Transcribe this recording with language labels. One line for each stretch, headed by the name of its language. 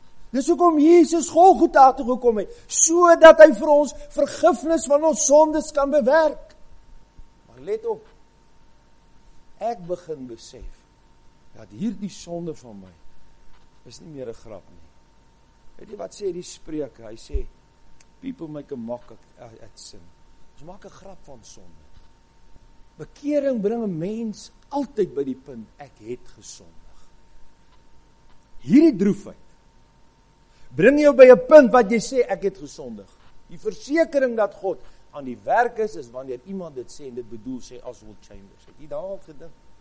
Afrikaans: Dis hoekom Jesus Golgotha toe gekom het, sodat hy vir ons vergifnis van ons sondes kan bewerk. Maar let op, ek begin besef, dat hierdie sonde van my, is nie meer 'n grap nie. Weet jy wat sê die spreuke? Hy sê,
English: people make a mock at sin.
Afrikaans: Ons maak 'n grap van sonde. Bekering bring 'n mens altyd by die punt, ek het gesondig. Hierdie droefheid, bring jou by 'n punt wat jy sê, ek het gesondig. Die versekering dat God aan die werk is, is wanneer iemand dit sê, en dit bedoel sê, Oswald Chambers. Het jy daar al gedink?